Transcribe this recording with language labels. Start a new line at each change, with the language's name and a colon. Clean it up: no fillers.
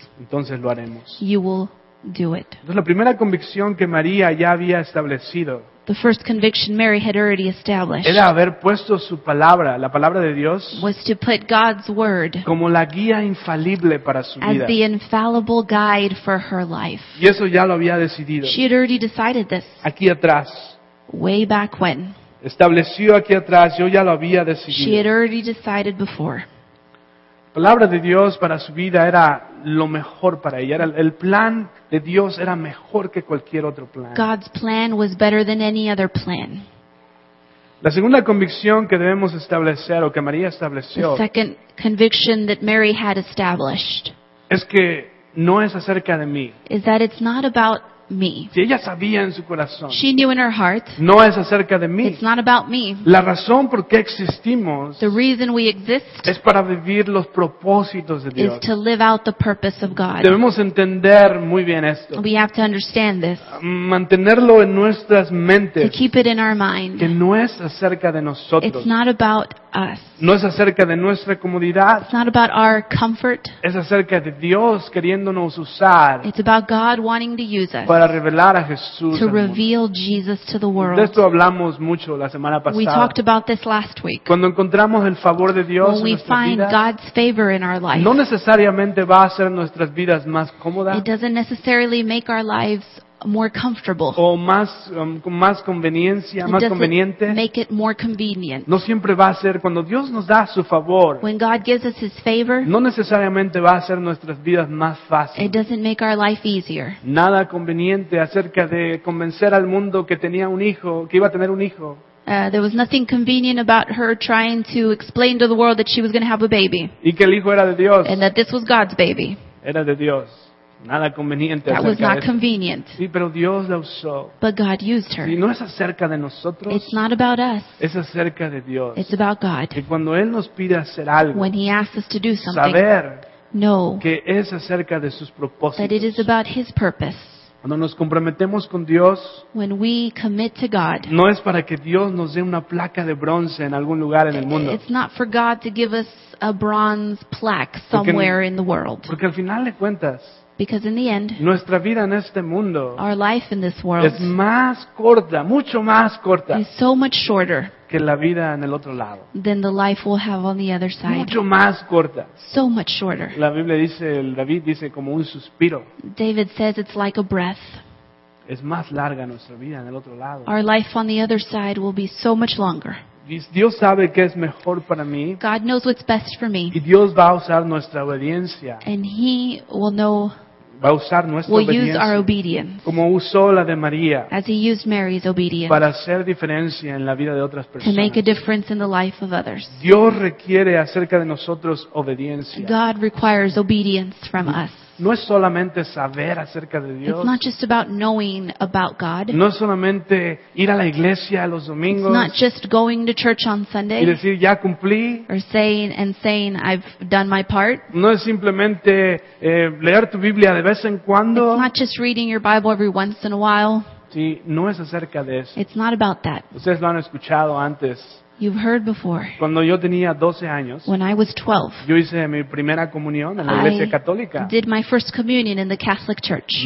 Spanish: entonces lo haremos.
English: You will do it.
Spanish: Entonces, la primera convicción que María ya había establecido.
English: The first conviction Mary had already established.
Spanish: Era haber puesto su palabra, la palabra de Dios.
English: Was to put God's word.
Spanish: Como la guía infalible para su vida.
English: As the infallible guide for her life.
Spanish: Y eso ya lo había decidido.
English: She had already decided this.
Spanish: Aquí atrás.
English: Way back when.
Spanish: Estableció aquí atrás, yo ya lo había decidido.
English: She had already decided before.
Spanish: palabra de Dios para su vida era lo mejor para ella. El plan de Dios era mejor que cualquier otro plan.
English: God's plan was better than any other plan.
Spanish: La segunda convicción que debemos establecer o que María estableció,
English: the second conviction that Mary had established,
Spanish: es que no es acerca de mí.
English: Is that it's not about me.
Spanish: Si ella sabía en su corazón,
English: she knew in her heart,
Spanish: no es acerca de mí.
English: It's not about me.
Spanish: La razón por qué existimos,
English: the reason we exist,
Spanish: es para vivir los propósitos de Dios.
English: Is to live out the purpose of God.
Spanish: Debemos entender muy bien esto.
English: We have to understand this.
Spanish: Mantenerlo en nuestras mentes.
English: To keep it in our mind.
Spanish: Que no es acerca de nosotros.
English: It's not about us.
Spanish: No es acerca de nuestra comodidad.
English: It's not about our comfort.
Spanish: Es acerca de Dios queriéndonos usar.
English: It's about God wanting to use us.
Spanish: Para revelar a Jesús.
English: To reveal Jesus to the world.
Spanish: De esto hablamos mucho la semana pasada.
English: We talked about this last week.
Spanish: Cuando encontramos el favor de Dios
English: when
Spanish: en nuestras vidas,
English: we find God's favor in our life.
Spanish: No necesariamente va a hacer nuestras vidas más cómodas.
English: It doesn't necessarily make our lives more comfortable.
Spanish: O más conveniencia, más conveniente.
English: Make it more convenient.
Spanish: No siempre va a ser cuando Dios nos da su favor.
English: When God gives us His favor,
Spanish: no necesariamente va a hacer nuestras vidas más fáciles.
English: It doesn't make our life easier.
Spanish: Nada conveniente acerca de convencer al mundo que tenía un hijo, que iba a tener un hijo.
English: There was nothing convenient about her trying to explain to the world that she was going to have a baby.
Spanish: Y que el hijo era de Dios.
English: And that this was God's baby.
Spanish: Era de Dios. Nada conveniente.
English: That was not convenient.
Spanish: Sí, pero Dios la usó.
English: But God used her.
Spanish: Sí, no es acerca de nosotros.
English: It's not about us.
Spanish: Es acerca de Dios.
English: It's about God.
Spanish: Que cuando Él nos pide hacer algo,
English: when He asks us to do something,
Spanish: saber
English: know
Spanish: que es acerca de sus propósitos.
English: That it is about His purpose.
Spanish: Cuando nos comprometemos con Dios,
English: when we commit to God,
Spanish: no es para que Dios nos dé una placa de bronce en algún lugar en el mundo.
English: It's not for God to give us a bronze plaque somewhere
Spanish: porque,
English: in the world.
Spanish: Porque al final de cuentas,
English: because in the end,
Spanish: nuestra vida en este mundo,
English: our life in this world,
Spanish: es más corta, mucho más corta,
English: is so much shorter
Spanish: que la vida en el otro lado,
English: than the life we'll have on the other side.
Spanish: Mucho más corta.
English: So much shorter.
Spanish: La Biblia dice, David dice como un suspiro.
English: David says it's like a breath.
Spanish: Es más larga nuestra vida en el otro lado.
English: Our life on the other side will be so much longer.
Spanish: Dios sabe qué es mejor para mí.
English: God knows what's best for me.
Spanish: Y Dios va a usar nuestra obediencia.
English: And He will know.
Spanish: Va a usar nuestra
English: will
Spanish: obediencia.
English: Use our obedience.
Spanish: Como usó la de María.
English: As He used Mary's obedience.
Spanish: Para hacer diferencia en la vida de otras personas.
English: To make a difference in the life of others.
Spanish: Dios requiere acerca de nosotros obediencia.
English: God requires obedience from us.
Spanish: No es solamente saber acerca de Dios.
English: It's not just about knowing about God.
Spanish: No es solamente ir a la iglesia los domingos.
English: It's not just going to church on Sunday.
Spanish: Y decir ya cumplí.
English: Or saying I've done my part.
Spanish: No es simplemente leer tu Biblia de vez en cuando.
English: It's not just reading your Bible every once in a while.
Spanish: Sí, no es acerca de eso.
English: It's not about that.
Spanish: Ustedes lo han escuchado antes.
English: You've heard before.
Spanish: Cuando yo tenía 12 años,
English: when I was 12,
Spanish: yo hice mi primera comunión en la Iglesia Católica.
English: I did my first communion in the Catholic Church.